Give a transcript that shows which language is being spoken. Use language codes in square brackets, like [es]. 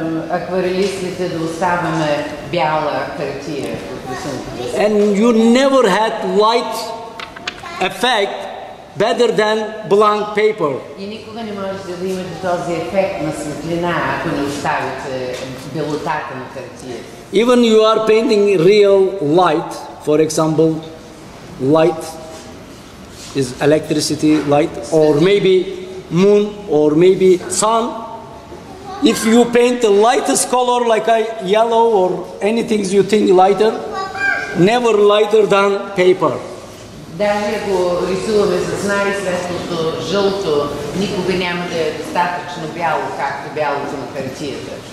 [bg] Акварелистите да оставяме бяла хартия в рисунката. [en] And you never had light effect better than blank paper. [bg] И никога не можете да имате този ефект на светлина, ако не оставите белотата на хартия. [en] Even you are painting real light, for example, light is electricity light, or maybe moon or maybe sun. If you paint the lightest color, like a yellow or anything you think lighter, never lighter than paper. [bg] Даже ако рисуваме с най-светлото жълто, никога няма да е достатъчно бяло, както бялото на хартията.